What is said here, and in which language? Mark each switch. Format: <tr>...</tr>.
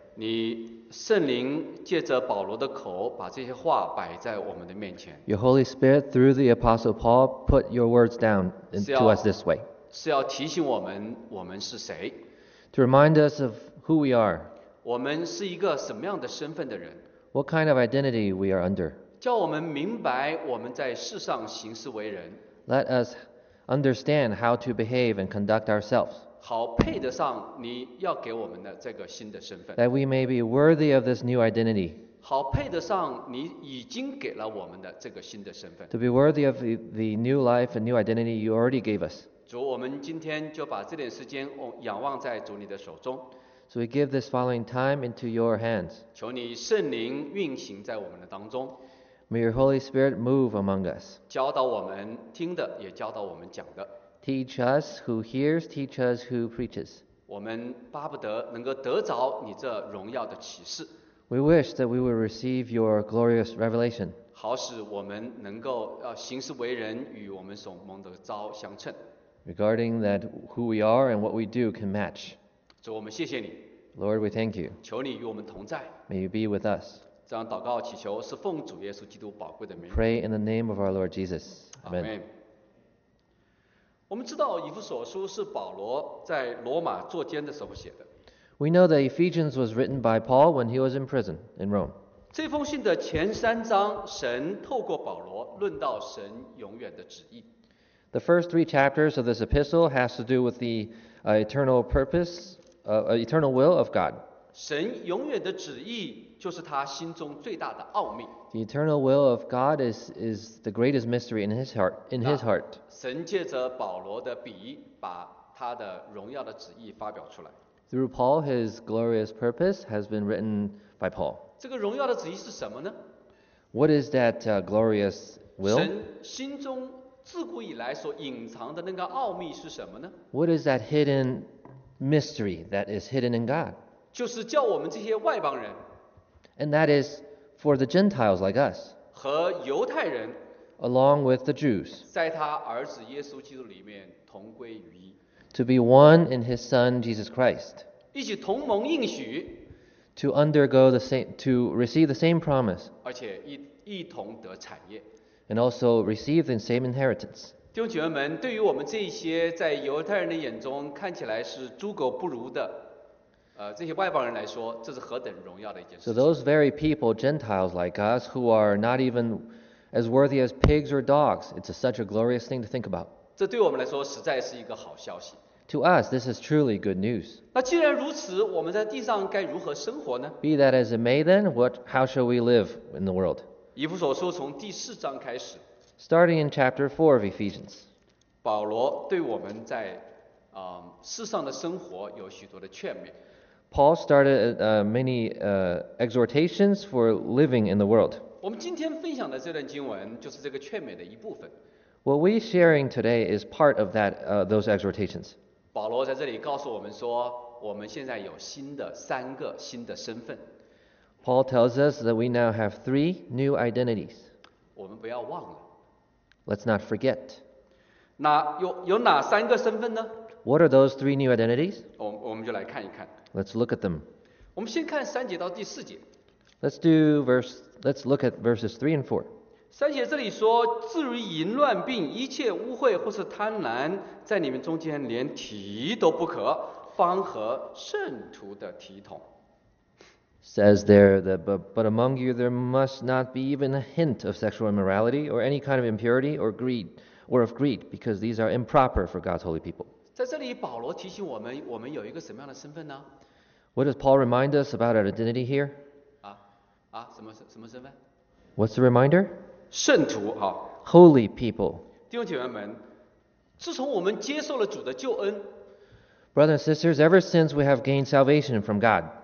<zh>你圣灵借着保罗的口把这些话摆在我们的面前。</zh> <en>Your Holy Spirit through the Apostle Paul put your words down to us this way.</en> <zh>是要提醒我们我们是谁。</zh> <en>To remind us of who we are.</en> <zh>我们是一个什么样的身份的人。</zh> <en>What kind of identity we are under.</en> <zh>叫我们明白我们在世上行事为人。</zh> <en>Let us understand how to behave and conduct ourselves.</en> <zh>好配得上你要给我们的这个新的身份。</zh> <en>That we may be worthy of this new identity.</en> <zh>好配得上你已经给了我们的这个新的身份。</zh> <en>To be worthy of the new life and new identity you already gave us.</en> <zh>主，我们今天就把这点时间仰望在主你的手中。</zh> <en>So we give this following time into your hands.</en> <zh>求你圣灵运行在我们的当中。</zh> <en>May your Holy Spirit move among us.</en> <zh>教导我们听的，也教导我们讲的。</zh> <en>Teach us who hears, teach us who preaches.</en> <zh>我们巴不得能够得着你这荣耀的启示。</zh> <en>We wish that we would receive your glorious revelation.</en> <zh>好使我们能够行事为人与我们所蒙的召相称。</zh> <en>Regarding that who we are and what we do can match.</en> <zh>主，我们谢谢你。</zh> <en>Lord, we thank you.</en> <zh>求你与我们同在。</zh> <en>May you be with us.</en> <zh>这样祷告祈求是奉主耶稣基督宝贵的名。</zh> <en>Pray in the name of our Lord Jesus. Amen. Amen.</en> <zh>我们知道以弗所书是保罗在罗马坐监的时候写的。</zh> <en>We know that Ephesians was written by Paul when he was in prison in Rome.</en> <zh>这封信的前三章，神透过保罗论到神永远的旨意。</zh> <en>The first three chapters of this epistle has to do with the eternal purpose, eternal will of God.</en> <zh>神永远的旨意就是他心中最大的奥秘。</zh> <en>The eternal will of God is the greatest mystery in his heart. In his heart.</en> <zh>神借着保罗的笔，把他的荣耀的旨意发表出来。</zh> <en>Through Paul, his glorious purpose has been written by Paul.</en> <zh>这个荣耀的旨意是什么呢？</zh> <en>What is that glorious will?</en> <zh>神心中自古以来所隐藏的那个奥秘是什么呢？</zh> <en>What is that hidden mystery that is hidden in God?</en> <zh>就是叫我们这些外邦人。</zh> <en>And that is for the Gentiles like us.</en> <zh>和犹太人。</zh> <en>Along with the Jews.</en> <zh>在他儿子耶稣基督里面同归于一。</zh> <en>To be one in his son Jesus Christ.</en> <zh>一起同盟应许。</zh> <en>To undergo the same, to receive the same promise.</en> <zh>而且一同得产业。</zh> <en>And also receive the same inheritance.</en> <zh>弟兄姐妹们，对于我们这些在犹太人的眼中看起来是猪狗不如的，这些外邦人来说，这是何等荣耀的一件事。</zh> <en>So those very people, Gentiles like us, who are not even as worthy as pigs or dogs, it's such a glorious thing to think about.</en> <zh>这对我们来说实在是一个好消息。</zh> <en>To us, this is truly good news.</en> <zh>那既然如此，我们在地上该如何生活呢？</zh> <en>Be that as it may, then, how shall we live in the world?</en> <zh>以弗所书从第四章开始</zh> <en>，Starting in chapter 4 of Ephesians，</en> <zh>保罗对我们在世上的生活有许多的劝勉。</zh> <en>Paul started many exhortations for living in the world。</en> <zh>我们今天分享的这段经文就是这个劝勉的一部分。</zh> <en>What we sharing today is part of that those exhortations。</en> <zh>保罗在这里告诉我们说，我们现在有新的三个新的身份。</zh> <en>Paul tells us that we now have three new identities.</en> <zh>我们不要忘了。</zh> <en>Let's not forget.</en> <zh>那有哪三个身份呢？</zh> <en>What are those three new identities?</en> <zh>我们就来看一看。</zh> <en>Let's look at them.</en> <zh>我们先看三节到第四节。</zh> <en>Let's look at verses 3 and 4.</en> <zh>三节这里说，至于淫乱并一切污秽或是贪婪，在你们中间连提都不可，方和圣徒的体统。</zh> <en>Says there that but among you there must not be even a hint of sexual immorality or any kind of impurity or greed or of greed because these are improper for God's holy people.</en> <zh>在这里，保罗提醒我们有一个什么样的身份呢？</zh> <en>What does Paul remind us about our identity here?</en> <zh>什么身份？</zh> <en>What's the reminder?</en> <zh>圣徒啊。</zh> <en>Holy people.</en> <zh>弟兄姐妹们，自从我们接受了主的救恩。</zh> <en>Brothers and sisters, ever since we have gained salvation from God,</en>